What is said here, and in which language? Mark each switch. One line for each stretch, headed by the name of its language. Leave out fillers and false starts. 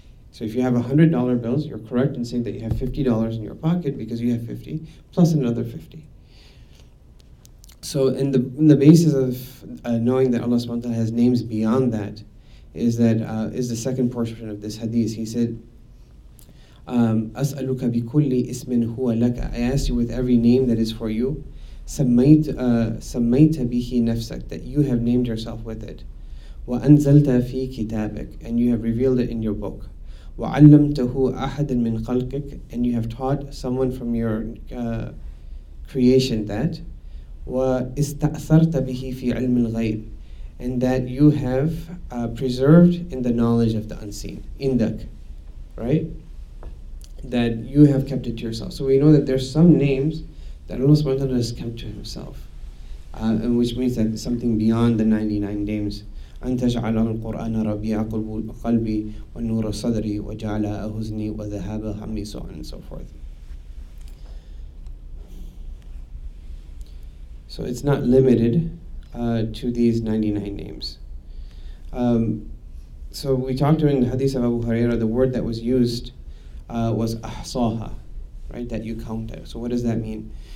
English: So if you have $100 bills, you're correct in saying that you have $50 in your pocket because you have 50 plus another 50. So in the basis of knowing that Allah subhanahu wa ta'ala has names beyond that is the second portion of this hadith. He said,
Arabic: أَسْأَلُكَ بِكُلِّ إِسْمٍ هُوَ لَكَ.
English: I ask you with every name that is for you.
Arabic: سَمَّيْتَ بِهِ نَفْسَكَ.
English: That you have named yourself with it.
Arabic: وَأَنْزَلْتَ فِي كِتَابِكَ.
English: And you have revealed it in your book.
Arabic: وَعَلَّمْتَهُ أَحَدًا مِنْ خَلْقِكَ.
English: And you have taught someone from your creation that.
Arabic: وَإِسْتَأْثَرْتَ بِهِ فِي عِلْمِ الْغَيْبِ.
English: And that you have preserved in the knowledge of the unseen. Indak. Right? That you have kept it to yourself. So we know that there's some names that Allah subhanahu wa ta'ala has kept to himself, and which means that something beyond the 99 names
Arabic: أن تجعل القرآن ربيع قلبي ونور صدري وجعل أهزني وذهاب همي
English: so on and so forth. So it's not limited to these 99 names. So we talked during the hadith of Abu Huraira, the word that was used was ahsaha, right? That you count it. So what does that mean?